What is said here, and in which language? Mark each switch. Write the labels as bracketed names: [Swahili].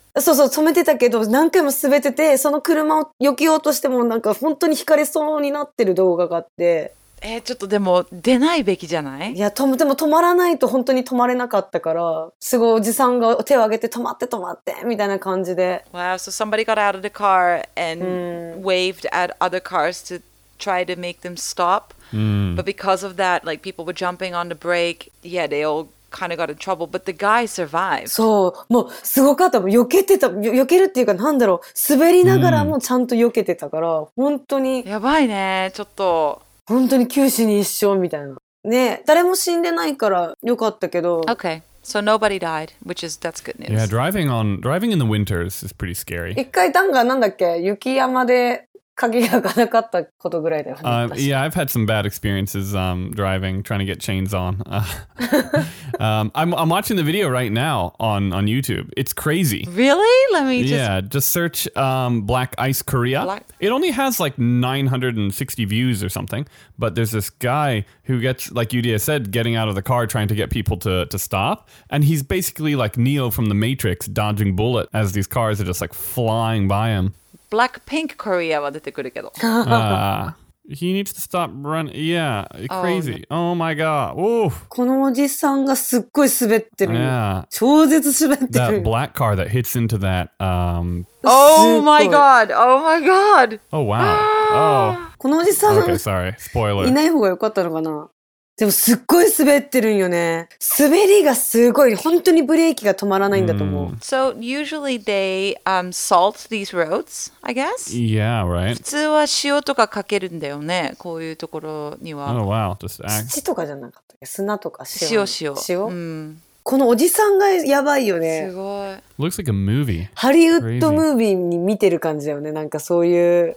[Japanese] そうそう止めてたけど何回も滑っててその車を避けようとしてもなんか本当に引かれそうになってる動画があってちょっとでも出ないべきじゃない？いやでも止まらないと本当に止まれなかったからすごいおじさんが手を挙げて止まって止まってみたいな感じで [English] Wow, so somebody got out of the car and waved at other cars to try to make them stop But because of that, like people were jumping on the brake Yeah, they all kind of got in trouble But the guy survived [Japanese] そう、もうすごかった避けてた、避けるっていうかなんだろう滑りながらもちゃんと避けてたから本当にやばいね、ちょっと本当に九死に一生みたいな。ね、誰も死んでないからよかったけど。 [English] Okay, so nobody died, which is, that's good news. Yeah, driving in the winter is pretty scary. [Japanese] 一回ダンがなんだっけ雪山で鍵が開かなかったことぐらいだよね。 [English] Yeah, I've had some bad experiences driving, trying to get chains on. I'm watching the video right now on YouTube. It's crazy. Really? Let me just... Yeah, just search Black Ice Korea. It only has like 960 views or something, but there's this guy who gets, like Yudia said, getting out of the car trying to get people to stop, and he's basically like Neo from the Matrix dodging bullet as these cars are just like flying by him. [Japanese] Black Pink Korea は出てくるけど。 [English] He needs to stop running. Yeah, crazy. Oh my god. Oof. [Japanese] このおじさんがすっごい滑ってる。 [English] Yeah. [Japanese] 超絶滑ってる。 [English] That black car that hits into that. Oh my god. Oh my god. Oh wow. Oh. このおじさん。 Okay, sorry. Spoiler. [Japanese] いない方が良かったのかな。でもすっごい滑ってるんよね。滑りがすごい。本当にブレーキが止まらないんだと思う。 [English] So usually they salt these roads, I guess? Yeah, right. [Japanese] 普通は塩とかかけるんだよね。こういうところには。 [English] Oh wow, just act. [Japanese] 土とかじゃなかったっけ砂とか塩。塩。塩、このおじさんがやばいよね。すごい。 [English] Looks like a movie. [Japanese] ハリウッドムービーに見てる感じだよね。なんかそういう。